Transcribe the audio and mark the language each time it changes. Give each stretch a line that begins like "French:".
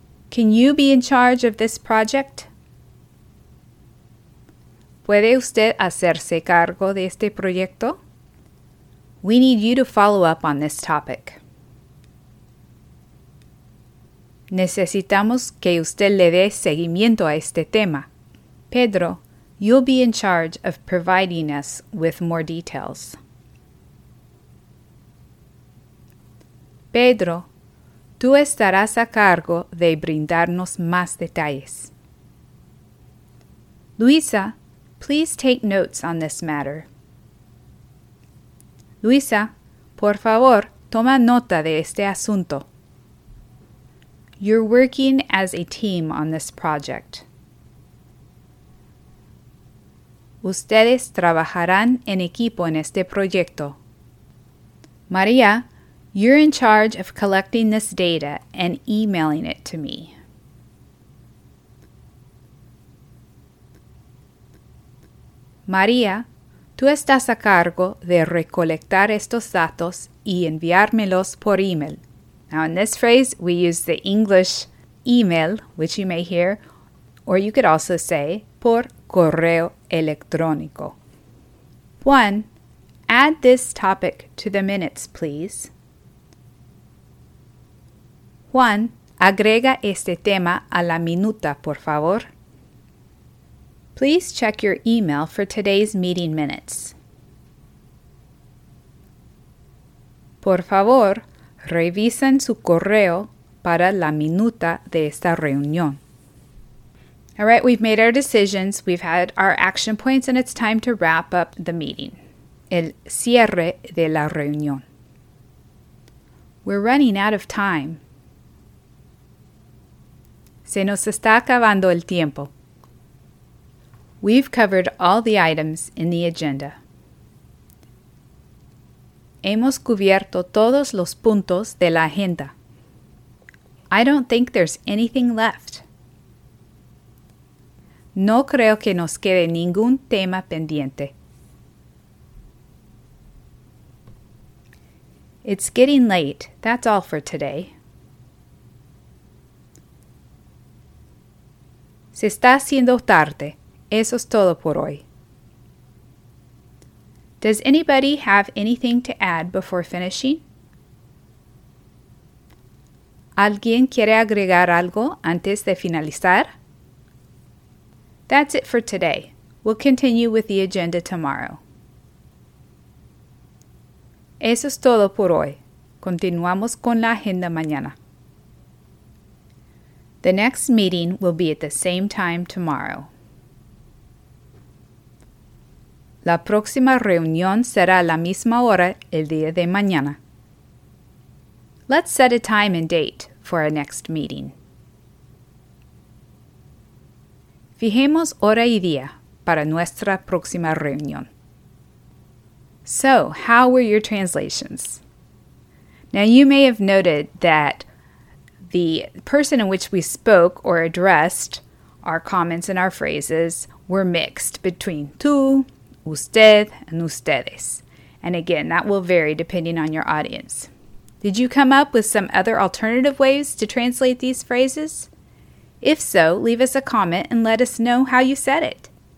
English: Can you be in charge of this project?
Spanish: ¿Puede usted hacerse cargo de este proyecto?
English: We need you to follow up on this topic.
Spanish: Necesitamos que usted le dé seguimiento a este tema.
English: Pedro, you'll be in charge of providing us with more details.
Spanish: Pedro, tú estarás a cargo de brindarnos más detalles.
English: Luisa, please take notes on this matter.
Spanish: Luisa, por favor, toma nota de este asunto.
English: You're working as a team on this project.
Spanish: Ustedes trabajarán en equipo en este proyecto.
English: María, you're in charge of collecting this data and emailing it to me.
Spanish: María, tú estás a cargo de recolectar estos datos y enviármelos por email.
English: Now, in this phrase, we use the English email, which you may hear, or you could also say,
Spanish: por correo electrónico.
English: One, add this topic to the minutes, please.
Spanish: Juan, agrega este tema a la minuta, por favor.
English: Please check your email for today's meeting minutes.
Spanish: Por favor, revisen su correo para la minuta de esta reunión.
English: All right, we've made our decisions, we've had our action points, and it's time to wrap up the meeting.
Spanish: El cierre de la reunión.
English: We're running out of time.
Spanish: Se nos está acabando el tiempo.
English: We've covered all the items in the agenda.
Spanish: Hemos cubierto todos los puntos de la agenda.
English: I don't think there's anything left.
Spanish: No creo que nos quede ningún tema pendiente.
English: It's getting late. That's all for today.
Spanish: Se está haciendo tarde. Eso es todo por hoy.
English: Does anybody have anything to add before finishing?
Spanish: ¿Alguien quiere agregar algo antes de finalizar?
English: That's it for today. We'll continue with the agenda tomorrow.
Spanish: Eso es todo por hoy. Continuamos con la agenda mañana.
English: The next meeting will be at the same time tomorrow.
Spanish: La próxima reunión será a la misma hora el día de mañana.
English: Let's set a time and date for our next meeting.
Spanish: Fijemos hora y día para nuestra próxima reunión.
English: So, how were your translations? Now, you may have noted that the person in which we spoke or addressed our comments and our phrases were mixed between tú, usted, and ustedes. And again, that will vary depending on your audience. Did you come up with some other alternative ways to translate these phrases? If so, leave us a comment and let us know how you said it.